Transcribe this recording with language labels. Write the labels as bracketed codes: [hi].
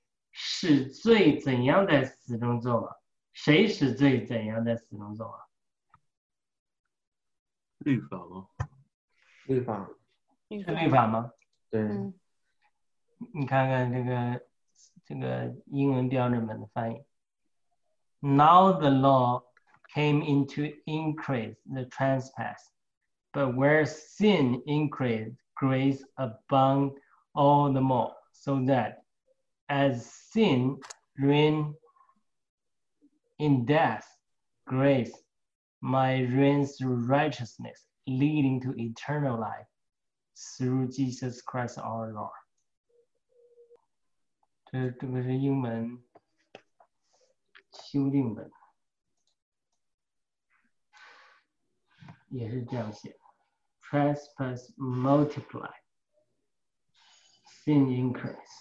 [zh] 使罪怎样在死中作王？谁使罪怎样在死中作王？律法吗？律法是律法吗？对，你看看这个英文标准版的翻译。 [en] Now the law came in to increase the trespass, but where sin increased, grace abounded all the more, so that as sin reignedIn death, grace might reign through righteousness, leading to eternal life through Jesus Christ our Lord. [zh] 这个是英文修订本，也是这样写。 [en] Trespass multiply, sin increase.